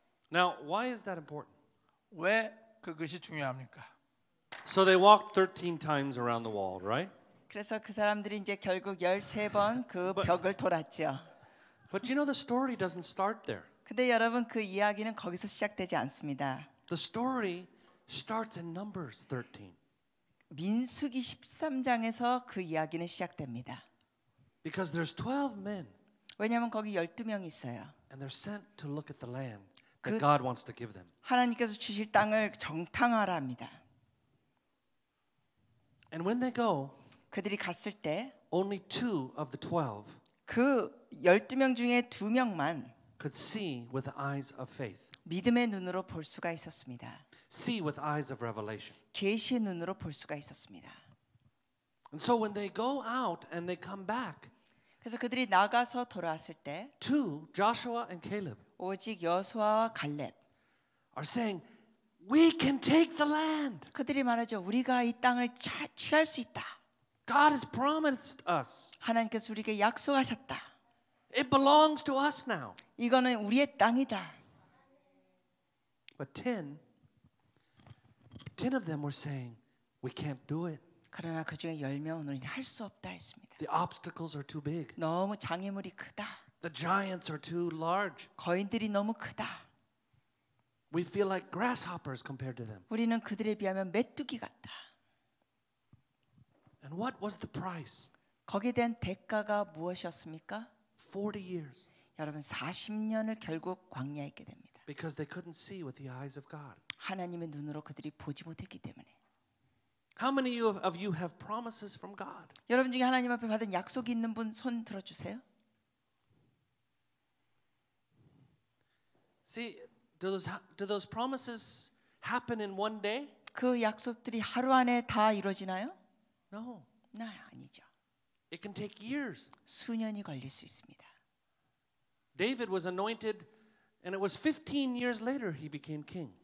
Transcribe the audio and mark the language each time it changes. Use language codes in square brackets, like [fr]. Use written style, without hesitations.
[en] Now, why is that important? [ko] 왜 그것이 중요합니까? [en] So they walked 13 times around the wall, right? [ko] 그래서 그 사람들이 이제 결국 13번 그 벽을 돌았죠. [en] But you know the story doesn't start there. [ko] 근데 여러분 그 이야기는 거기서 시작되지 않습니다. [en] The story starts in Numbers 13. [ko] 민수기 13장에서 그 이야기는 시작됩니다. [en] Because there's 12 men. [ko] 왜냐면 거기 12명이 있어요. [en] And they're sent to look at the land that God wants to give them. [ko] 하나님께서 주실 땅을 정탐하라 합니다. [en] And when they go [ko] 그들이 갔을 때 [en] only two of the 12 [ko] 그 12명 중에 두 명만 [en] could see with eyes of faith [ko] 믿음의 눈으로 볼 수가 있었습니다. [en] see with eyes of revelation [ko] 계시의 눈으로 볼 수가 있었습니다. [en] and so when they go out and they come back [ko] 그래서 그들이 나가서 돌아왔을 때 [en] two Joshua and Caleb [ko] 오직 여호수아와 갈렙 [en] are saying we can take the land [ko] 그들이 말하죠. 우리가 이 땅을 취할 수 있다. [en] God has promised us. [ko] 하나님께서 우리에게 약속하셨다. [en] It belongs to us now. [ko] 이거는 우리의 땅이다. [en] But ten of them were saying, "We can't do it." [ko] 그러나 그 중에 열 명은 우리는 할 수 없다 했습니다. [en] The obstacles are too big. [ko] 너무 장애물이 크다. [en] The giants are too large. [ko] 거인들이 너무 크다. [en] We feel like grasshoppers compared to them. [ko] 우리는 그들에 비하면 메뚜기 같다. [en] And what was the price? [ko] 거기에 대한 대가가 무엇이었습니까? [en] 40 years. [ko] 여러분 40년을 결국 광야에 있게 됩니다. [en] Because they couldn't see with the eyes of God. [ko] 하나님의 눈으로 그들이 보지 못했기 때문에. [en] How many of you have promises from God? [ko] 여러분 중에 하나님 앞에 받은 약속이 있는 분 손 들어 주세요. [en] See, do those promises happen in one day? [ko] 그 약속들이 하루 안에 다 이루어지나요? [en] No. [ko] 아니죠. [en] It can take years. [ko] 수년이 걸릴 수 있습니다. [en] David was anointed and it was 15 years later he became king.